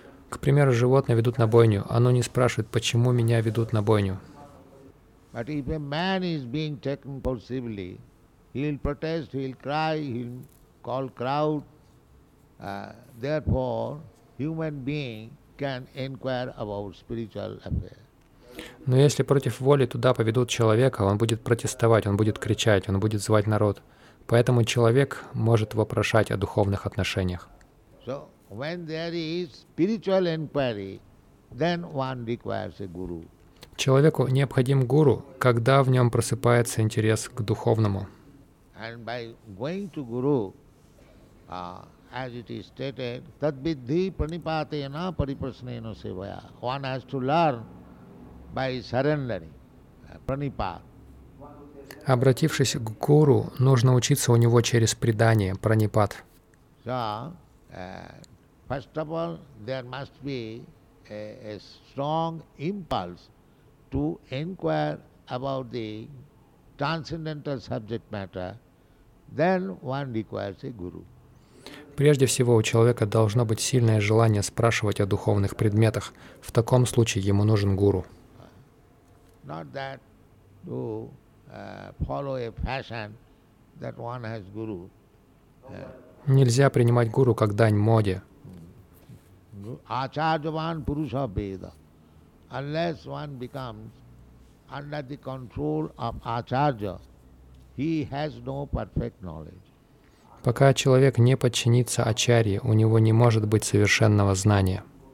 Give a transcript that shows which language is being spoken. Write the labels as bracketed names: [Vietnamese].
[Russian] К примеру, животное ведут на бойню, оно не спрашивает, почему меня ведут на бойню. [English] But if a man is being taken forcibly, he'll protest, he'll cry, he'll call crowd. Therefore, human being can inquire about spiritual affairs. [Russian] Но если против воли туда поведут человека, он будет протестовать, он будет кричать, он будет звать народ. Поэтому человек может вопрошать о духовных отношениях. [English] So, when there is spiritual inquiry, then one requires a guru. [Russian] Человеку необходим гуру, когда в нем просыпается интерес к духовному. [English] And by going to guru, as it is stated, [Sanskrit] tad viddhi pranipatena pariprasnena sevaya. [English] One has to learn by surrendering, pranipat. [Russian] Обратившись к гуру, нужно учиться у него через предание, пранипат. [English] So, first of all, there must be a strong impulse to inquire about the transcendental subject matter. Then one requires a guru. [Russian] Прежде всего, у человека должно быть сильное желание спрашивать о духовных предметах. В таком случае ему нужен гуру. [English] Not that to follow a fashion that one has guru. [Russian] Нельзя принимать гуру как дань моде. [Sanskrit] Ачарьяван пуруша веда. [English] Unless one becomes under the control of Acharya, he has no perfect knowledge. [Russian] Пока человек не подчинится Ачарье, у него не может быть совершенного знания.